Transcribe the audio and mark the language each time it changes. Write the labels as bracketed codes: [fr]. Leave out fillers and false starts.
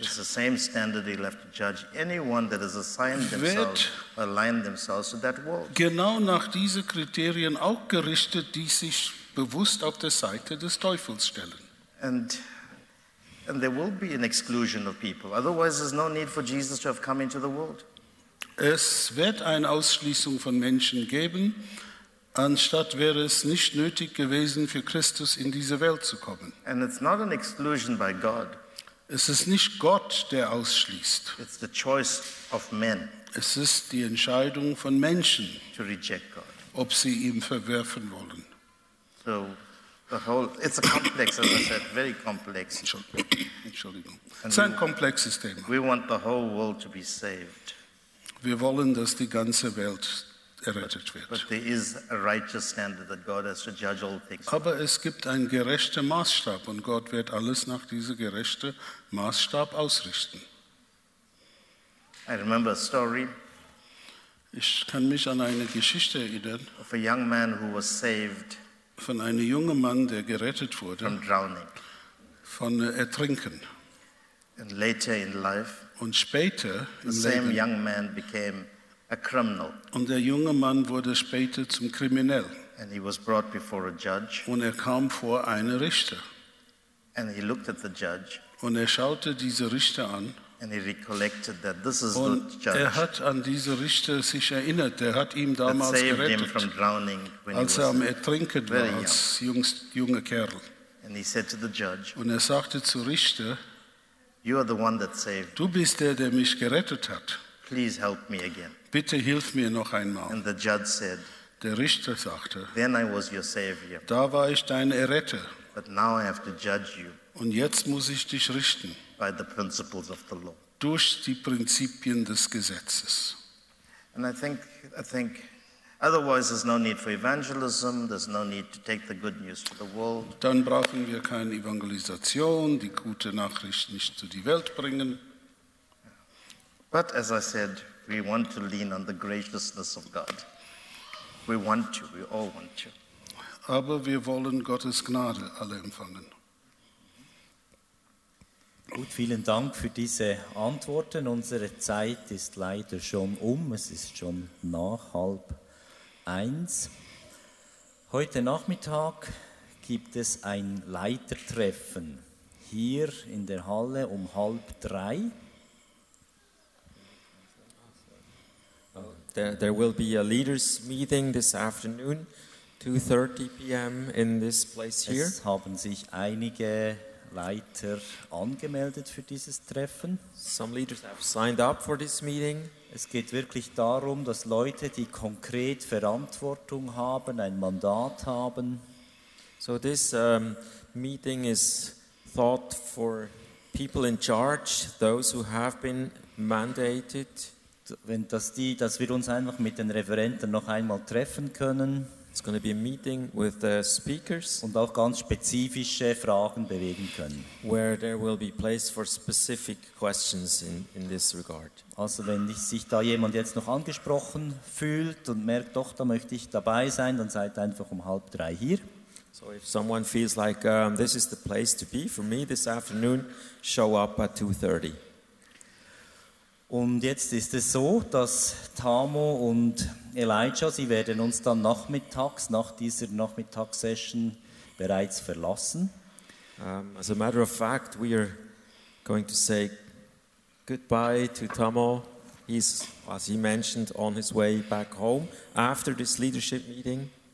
[en] It's the same standard he left to judge anyone that has assigned themselves, aligned themselves to that world. [de] Genau nach diesen Kriterien auch gerichtet, die sich bewusst auf der Seite des Teufels stellen. [en] And there will be an exclusion of people. Otherwise, there's no need for Jesus to have come into the world. [de] Es wird eine Ausschließung von Menschen geben. Anstatt wäre es nicht nötig gewesen, für Christus in diese Welt zu kommen. [en] And it's not an exclusion by God. [de] Es ist nicht Gott, der ausschließt. [en] It's the choice of men. [de] Es ist die Entscheidung von Menschen, [en] to reject God. [de] Ob sie ihn verwerfen wollen. [en] So, the whole, it's a complex, as I said, very complex. [de] Entschuldigung. Es ist ein komplexes Thema. [en] We want the whole world to be saved. [de] Wir wollen, dass die ganze Welt errettet wird. [en] But there is a righteous standard that God has to judge all things. [de] Aber es gibt einen gerechten Maßstab und Gott wird alles nach diesem gerechten Maßstab ausrichten. [en] I remember a story. [de] Ich kann mich an eine Geschichte erinnern. [en] Of a young man who was saved. [de] Von einem jungen Mann, der gerettet wurde. [en] From drowning. [de] Von Ertrinken. [en] And later in life. [de] Und später [en] the [de] im [en] same [de] Leben, [en] young man became a criminal. [de] Und der junge Mann wurde später zum Kriminell. [en] And he was brought before a judge. [de] Und er kam vor einen Richter. [en] And he looked at the judge. [de] Und er schaute diesen Richter an. [en] And he recollected that this is [de] und [en] the judge. [de] Er hat an diesen Richter sich erinnert. Er hat ihn damals [en] that saved [de] gerettet, [en] him from drowning when [de] als [en] he was [de] er am Ertrinken war, [en] young. [de] Als junger Kerl. [en] And he said to the judge, [de] und er sagte zu Richter, [en] you are the one that saved. [de] Du bist der, der mich gerettet hat. [en] Please help me again. [de] Bitte hilf mir noch einmal. [en] And the judge said, [de] der Richter sagte, [en] then I was your savior. [de] Da war ich dein Erretter. [en] But now I have to judge you. [de] Und jetzt muss ich dich richten. [en] By the principles of the law. [de] Durch die Prinzipien des Gesetzes. [en] And I think otherwise there's no need for evangelism, there's no need to take the good news to the world. [de] Dann brauchen wir keine Evangelisation, die gute Nachricht nicht zu die Welt bringen. [en] But as I said, we want to lean on the graciousness of God. We want to, we all want to. [de] Aber wir wollen Gottes Gnade alle empfangen. Gut, vielen Dank für diese Antworten. Unsere Zeit ist leider schon um. Es ist schon nach 12:30. Heute Nachmittag gibt es ein Leitertreffen hier in der Halle um 2:30. [en] There will be a leaders' meeting this afternoon, 2:30 p.m. in this place here. [de] Es haben sich einige Leiter angemeldet für dieses Treffen. [en] Some leaders have signed up for this meeting. [de] Es geht wirklich darum, dass Leute, die konkret Verantwortung haben, ein Mandat haben. [en] So this meeting is thought for people in charge, those who have been mandated. [de] Wenn das die, dass wir uns einfach mit den Referenten noch einmal treffen können. [en] It's going to be a meeting with the speakers. [de] Und auch ganz spezifische Fragen bewegen können. [en] Where there will be place for specific questions in this regard. [de] Also wenn sich da jemand jetzt noch angesprochen fühlt und merkt, doch, da möchte ich dabei sein, dann seid einfach um 2:30 hier. [en] So if someone feels like this is the place to be for me this afternoon, show up at 2:30. [de] Und jetzt ist es so, dass Tamo und Elijah, sie werden uns dann nachmittags, nach dieser Nachmittagssession bereits verlassen. [en] As a matter of fact, we are going to say goodbye to Tamo. He's, as he mentioned, on his way back home after this leadership meeting.